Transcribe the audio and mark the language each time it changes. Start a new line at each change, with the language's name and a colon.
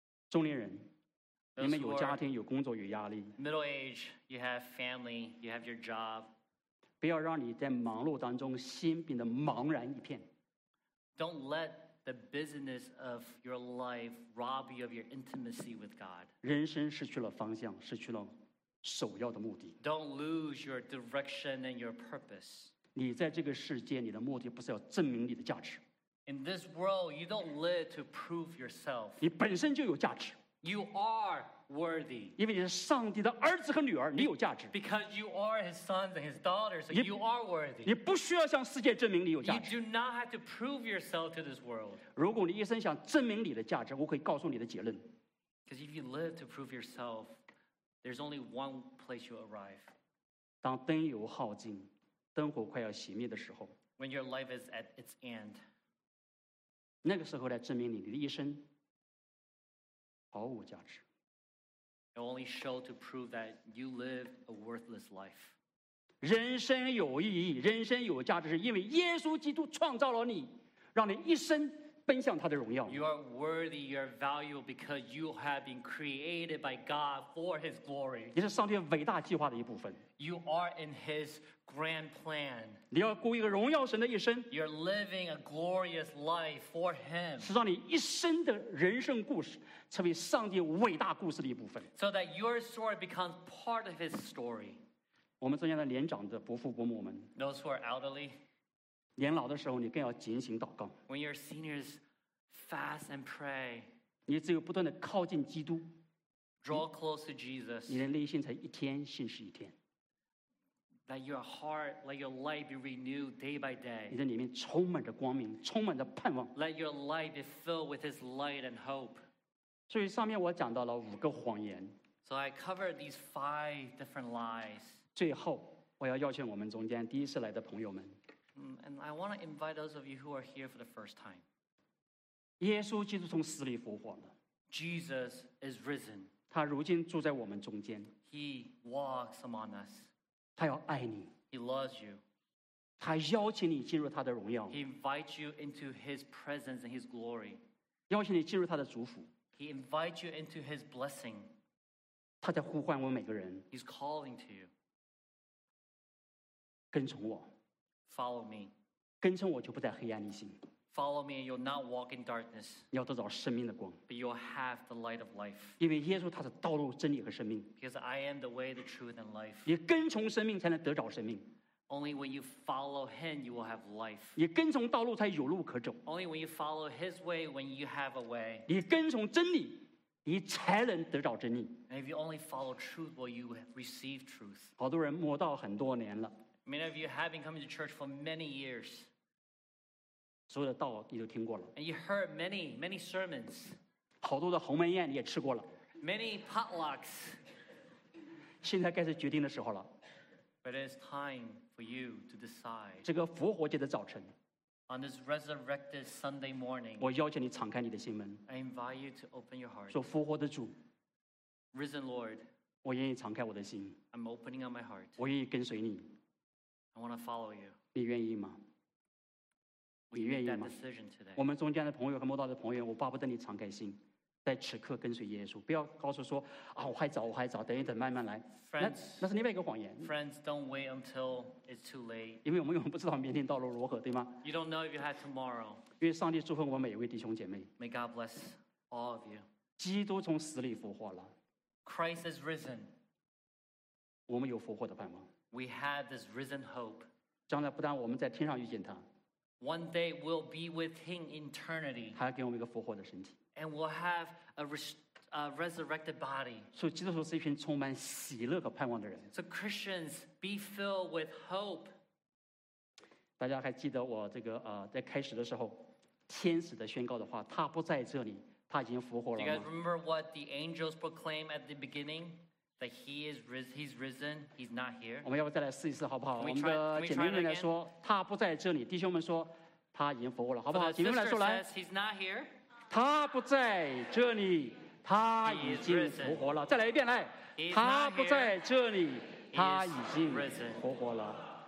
Chinese: 中年人，你们有家庭、有工作、有压力。
English: Middle age, you have family, you have your job.
Chinese: 不要让你在忙碌当中心变得茫然一片。
English: Don't let the busyness of your life rob you of your intimacy with God.
Chinese: 人生失去了方向，失去了首要的目的。
English: Don't lose your direction and your purpose.
Chinese: 你在这个世界，你的目的不是要证明你的价值。
English: In this world, you don't live to prove yourself.
Chinese: 你本身就有价值。
English: You are worthy.
Chinese: 因为你是上帝的儿子和女儿，你有价值。
English: Because you are his sons and his daughters, so you are worthy.
Chinese: 你不需要向世界证明你有价值。
English: You do not have to prove yourself to this world.
Chinese: 如果你一生想证明你的价值，我可以告诉你的结论。
English: Because if you live to prove yourself, there's only one place you arrive.
Chinese: 当灯油耗尽，灯火快要熄灭的时候。
English: When your life is at its end.
Chinese: 那个时候来证明你的一生。毫无价值。
English: It only show to prove that you live a worthless life.
Chinese: 人生有意义，人生有价值，是因为耶稣基督创造了你，让你一生奔向他的荣耀。
English: You are worthy, you are valuable because you have been created by God for His glory.
Chinese: 你是上帝伟大计划的一部分。
English: You are in His grand plan.
Chinese: 你要过一个荣耀神的一生。
English: You are living a glorious life for Him.
Chinese: 是让你一生的人生故事成为上帝伟大故事的一部分。
English: So that your story becomes part of His story.
Chinese: 我们中间的年长的伯父伯母们。
English: Those who are elderly.
Chinese: 年老的时候，你更要警醒祷告。
English: When your seniors fast and pray,
Chinese: 你只有不断的靠近基督
English: Draw close to Jesus.
Chinese: 你的内心才一天信实一天。
English: Let your heart, let your light be renewed day by day.
Chinese: 你的里面充满着光明，充满着盼望。
English: Let your light be filled with His light and hope.
Chinese: 所以上面我讲到了五个谎言。
English: So I covered these five different lies.
Chinese: 最后，我要邀请我们中间第一次来的朋友们。
English: And I want to invite those of you who are here for the first time.
Chinese: 耶稣基督从死里复活了。
English: Jesus is risen.
Chinese: 他如今住在我们中间。
English: He walks among us.
Chinese: 他要爱你。
English: He loves you.
Chinese: 他邀请你进入他的荣耀。
English: He invites you into his presence and his glory.
Chinese: 邀请你进入他的祝福。
English: He invites you into his blessing.
Chinese: 他在呼唤我们每个人。
English: He's calling to you.
Chinese: 跟从我。
English: Follow me.
Chinese: 跟从我就不在黑暗里行。
English: Follow me and you'll not walk in darkness.
Chinese: 你要得到生命的光。
English: But you'll have the light of life.
Chinese: 因为耶稣他是道路、真理和生命。
English: Because I am the way, the truth, and life.
Chinese: 你跟从生命才能得着生命。
English: Only when you follow him, you will have life.
Chinese: 你跟从道路才有路可走。
English: Only when you follow his way, when you have a way.
Chinese: 你跟从真理，你才能得着真理。
English: And if you only follow truth, will you receive truth?
Chinese: 好多人摸到很多年了。
English: Many of you have been coming to church for many years.
Chinese: 所有的道你都听过了。
English: And you heard many, many sermons.
Chinese: 好多的鸿门宴你也吃过了。
English: Many potlucks.
Chinese: 现在该是决定的时候了。
English: But it is time for you to decide.
Chinese: 这个复活节的早晨。
English: On this resurrected Sunday morning.
Chinese: 我邀请你敞开你的心门。
English: I invite you to open your heart.
Chinese: 说复活的主。
English: Risen Lord.
Chinese: 我愿意敞开我的心。
English: I'm opening up my heart.
Chinese: 我愿意跟随你。
English: I want to follow you.
Chinese: 你愿意吗？你愿意吗？我们中间的朋友和慕道的朋友，我巴不得你敞开心，在此刻跟随耶稣。不要告诉说啊，我还早，我还早，等一等，慢慢来。
English: Friends,
Chinese: 那是另外一个谎言。
English: Friends, don't wait until it's too late.
Chinese: 因为我们永远不知道明天道路如何，对吗
English: ？You don't know if you have tomorrow.
Chinese: 因为上帝祝福我们每一位弟兄姐妹。
English: May God bless all of you.
Chinese: 基督从死里复活了。
English: Christ is risen.
Chinese: 我们有复活的盼望。
English: We have this risen hope.
Chinese: 将来不但我们在天上遇见他。
English: One day we'll be with him in eternity.
Chinese: 他要给我们一个复活的身体。
English: And we'll have a resurrected body.
Chinese: 所以基督徒是一群充满喜乐和盼望的人。
English: So Christians, be filled with hope.
Chinese: 大家还记得我这个在开始的时候，天使的宣告的话，他不在这里，他已经复活了吗？
English: Do you guys remember what the angels proclaimed at the beginning? That he is he's risen, he's not here.
Chinese: 我们要不再来试一试，好不好？我们的姐妹们来说，他不在这里。弟兄们说，他已经复活了，好不好？姐妹们来说，来。
English: He's not here.
Chinese: 他不在这里，他已经复活了。再来一遍，来。他不在这里，他已经复活了。